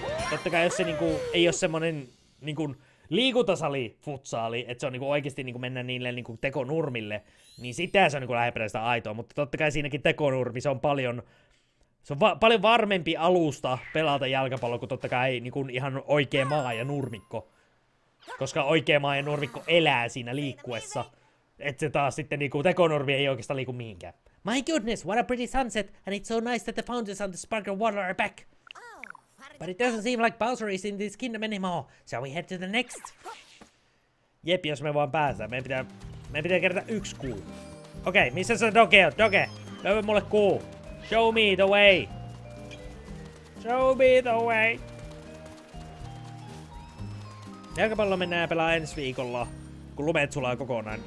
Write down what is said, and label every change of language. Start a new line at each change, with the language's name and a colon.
Finnish: Totta kai jos se niinku, ei ole semmonen niinku liikuntasali futsaali, että se on niinku oikeesti niinku mennä niille niinku tekonurmille, niin sitä se on niinku lähempänä sitä aitoa, mutta totta kai siinäkin tekonurmi, se on paljon varmempi alusta pelata jalkapallo, kuin totta kai niinku ihan oikea maa ja nurmikko. Koska oikea maa ja nurmikko elää siinä liikkuessa. Et se taas sitten niinku tekonurmi ei oikeastaan liiku mihinkään.
English: My goodness, what a pretty sunset, and it's so nice that the fountains and the sparkling water are back. But it doesn't seem like Bowser is in this kingdom anymore. Shall we head to the next?
Finnish: Jep, jos me vaan päästään. Meidän pitää kertaa yksi kuu. Okei, okay, missä se doge on?
English: Doge!
Finnish: Löyvä mulle kuu.
English: Show me the way! Show me the way!
Finnish: Jalkapallo mennään pelaa ensi viikolla. kun lumeet sulaa kokonaan.